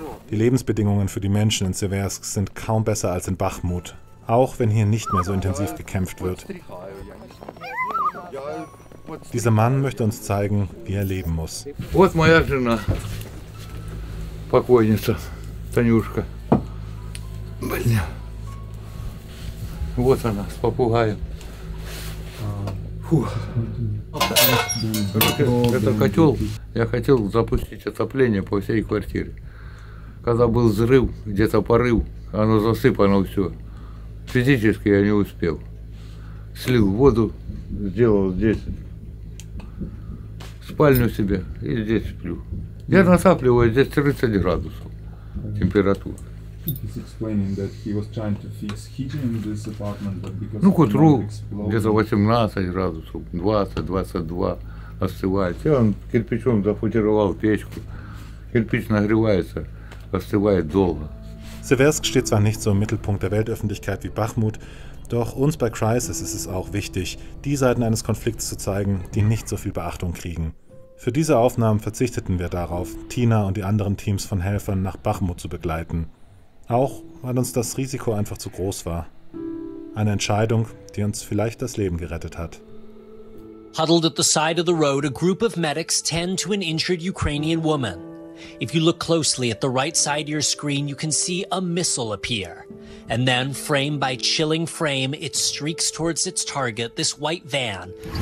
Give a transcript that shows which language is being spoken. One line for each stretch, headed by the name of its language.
German: Die Lebensbedingungen für die Menschen in Seversk sind kaum besser als in Bachmut, auch wenn hier nicht mehr so intensiv gekämpft wird. Dieser Mann möchte uns zeigen, wie er leben muss.
Russian: Вот моя жена, покойница, Танюшка. Бля. Вот она, с попугаем. Этот котел, я хотел запустить отопление по всей квартире. Когда был взрыв, где-то порыв, оно засыпано все. Физически я не успел. Слил воду, сделал здесь спальню себе и здесь сплю. Я натапливаю здесь 30 градусов температуры. Ну, к утру где-то 18 градусов, 20-22 остывает. Я кирпичом зафутировал печку. Кирпич нагревается, остывает долго.
German: Seversk steht zwar nicht so im Mittelpunkt der Weltöffentlichkeit wie Bachmut, doch uns bei Crisis ist es auch wichtig, die Seiten eines Konflikts zu zeigen, die nicht so viel Beachtung kriegen. Für diese Aufnahmen verzichteten wir darauf, Tina und die anderen Teams von Helfern nach Bachmut zu begleiten. Auch, weil uns das Risiko einfach zu groß war. Eine Entscheidung, die uns vielleicht das Leben gerettet hat.
English: Huddled at the side of the road, a group of medics tend to an injured Ukrainian woman. If you look closely at the right side of your screen, you can see a missile appear. And then, frame by chilling frame, it streaks towards its target, this white van.